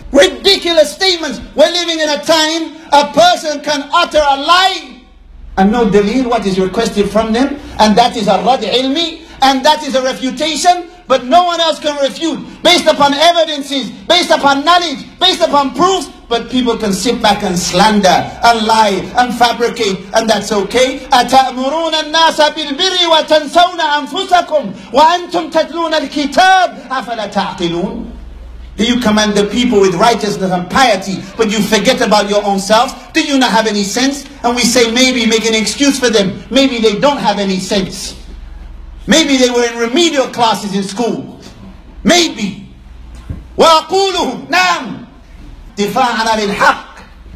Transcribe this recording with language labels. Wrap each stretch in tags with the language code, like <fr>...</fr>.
<en>Ridiculous statements. We're living in a time a person can utter a lie and no delil what is requested from them, and that is a rad ilmi, and that is a refutation, but no one else can refute based upon evidences, based upon knowledge, based upon proofs, But people can sit back and slander and lie and fabricate, and that's okay.</en> <ar>أتأمرون الناس بالبر وتنسون أنفسكم وأنتم تتلون الكتاب أفلا تعقلون.</ar> <en>Do you command the people with righteousness and piety, but you forget about your own self? Do you not have any sense? And we say maybe, make an excuse for them. Maybe they don't have any sense. Maybe they were in remedial classes in school. Maybe.</en> <ar>وَأَقُولُهُمْ نَعْمُ دِفَاعًا لِلْحَقِّ.</ar>